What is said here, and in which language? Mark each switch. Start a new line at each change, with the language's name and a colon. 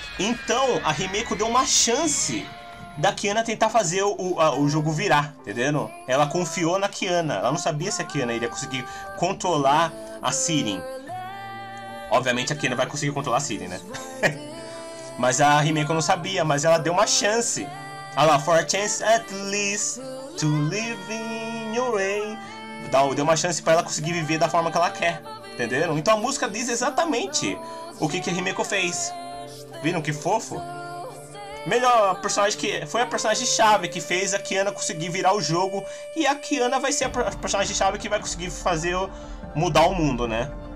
Portuguese: Então, a Himeko deu uma chance da Kiana tentar fazer o jogo virar, entendendo? Ela confiou na Kiana. Ela não sabia se a Kiana iria conseguir controlar a Siren. Obviamente a Kiana vai conseguir controlar a Siren, né? Mas a Himeko não sabia, mas ela deu uma chance. Olha lá,
English: for a chance at least to live in your way.
Portuguese: Deu uma chance pra ela conseguir viver da forma que ela quer, entenderam? Então a música diz exatamente o que a Himeko fez. Viram que fofo? Melhor personagem que... Foi a personagem-chave que fez a Kiana conseguir virar o jogo. E a Kiana vai ser a personagem-chave que vai conseguir fazer mudar o mundo, né?